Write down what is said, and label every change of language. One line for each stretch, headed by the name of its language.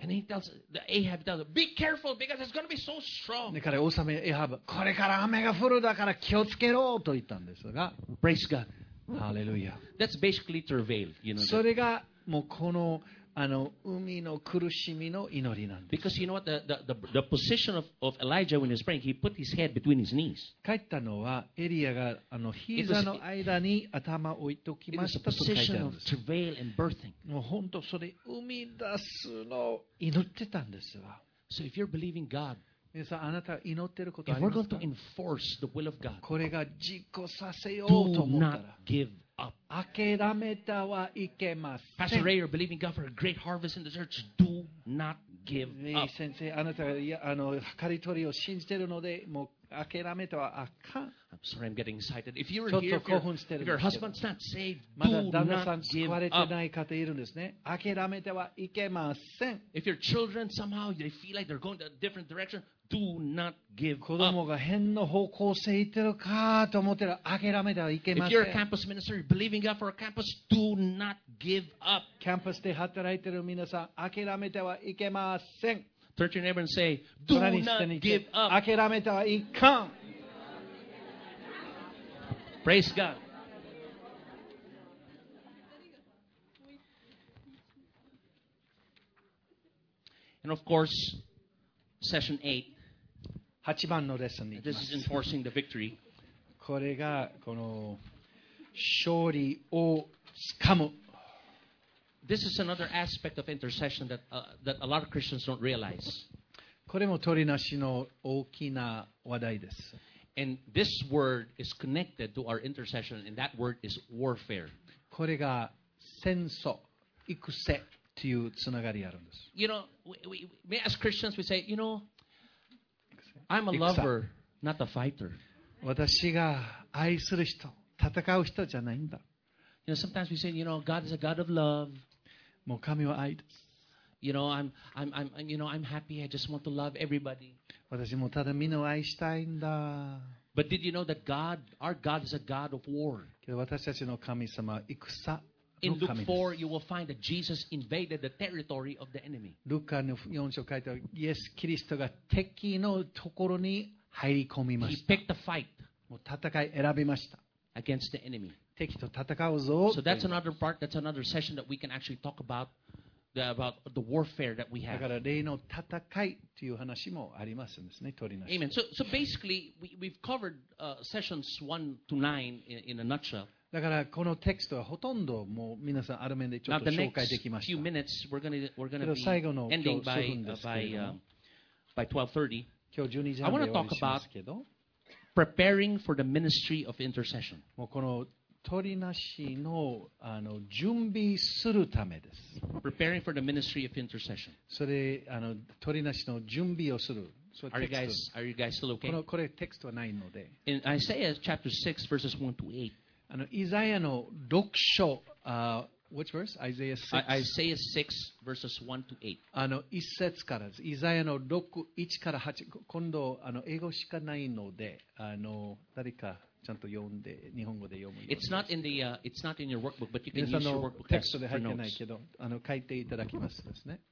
English: And he tells the Ahab, "Be careful, because it's going to be so strong."
Japanese: で、彼王様エハブ、これから雨が降るだから気をつけろと言ったんですが。
English: Praise God. Hallelujah. That's basically to reveal, you know.
Japanese: それがもうこのあの海の苦しみの祈りなんです。
English: Because you know what the position of Elijah when he was praying, he put his head between his knees.
Japanese: 帰ったのはエリアがあの膝の間に頭を置いておきましたと書いてあるんです。
English: It was a position of travail and birthing.
Japanese: もう本当それ生み出すのを祈ってたんですわ。
English: So if you're believing God.
Japanese: 皆さん、あなたが祈ってることありますか？
English: We're going to enforce the will of God.
Japanese: これが実行させようと思ったら、
English: Do not give up.
Japanese: 諦めたはいけません。
English: Pastor Ray, you're believing God for a great harvest in the church. Do not give up.
Japanese: 先生、あなたがあの刈り取りを信じているので、もう諦めたはあかん。
English: I'm sorry, I'm getting excited. If you're here, if your husband's not saved,
Japanese: まだ旦那さん救われてない方いるんですね。諦めてはいけません。
English: If your children somehow they feel like they're going a different direction. Do not give up.
Japanese: 子供が変の方向性いってるかと思ってる諦めてはいけません。
English: If you're a campus minister, you're believing God for a campus, do not give up.
Japanese: キャンパスで働いてる皆さん諦めてはいけません。
English: Turn to your neighbor and say, do not give up.
Japanese: 諦めてはいかん。
English: Praise God. And of course,Session 8.
Japanese: 8番のレッスンに行きます。
English: This is enforcing the victory.
Japanese: これがこの勝利をつかむ。
English: This is another aspect of intercession that, that a lot of Christians don't realize.
Japanese: これも取りなしの大きな話題です。
English: And this word is connected to our intercession, and that word is warfare.
Japanese: これが戦争、育成。というつながりあるんです。
English: You know, we as Christians we say, you know, I'm a lover, not a fighter.
Japanese: 私が愛する人、戦う人じゃないんだ。
English: You know, sometimes we say, you know, God is a God of love.
Japanese: もう神は愛です。
English: You know, I'm happy. I just want to love everybody.
Japanese: 私もただみんなを愛したいんだ。
English: But did you know that God, our God is a God of war?
Japanese: けど私たちの神様は戦。
English: In Luke 4, you will find that Jesus invaded the territory of the enemy.
Japanese: Luke 4書いてある、イエス・キリストが敵のところに入り込みました。
English: He picked a fight.
Japanese: もう戦い選びました。
English: Against the enemy.
Japanese: 敵と戦うぞ。
English: So that's another part, that's another session that we can actually talk about the warfare that we have.
Japanese: だから例の戦いという話もありますんですね、取りなし。
English: Amen. So basically, we've covered sessions 1 to 9 in a nutshell.
Japanese: だからこのテキストはほとんどもう皆さんある面でちょっと紹介できました。
English: Now, minutes, we're gonna
Japanese: 最後の今日数分ですけれども
English: by 12:30
Japanese: 今日12時半で終わりしますけど
English: I want to talk about preparing for the ministry of intercession.
Japanese: もうこの取りなし の, あの準備するためです。
English: Preparing for the ministry of intercession.
Japanese: それあの取りなしの準備をする。
English: Are you guys still okay?
Japanese: これテキストはないので。
English: In Isaiah chapter 6 verses 1 to 8
Japanese: あのイザヤの6章、
English: which verse? Isaiah 6. Isaiah 6 verses 1 to
Japanese: 8. 1節からです。イザヤの6、1から8。今度あの、英語しかないので、誰かちゃんと読んで、日本語で読む。
English: It's not in it's not in your workbook, but you can use your workbook text for notes.
Japanese: テキストで入ってないけど、書いていただきますですね。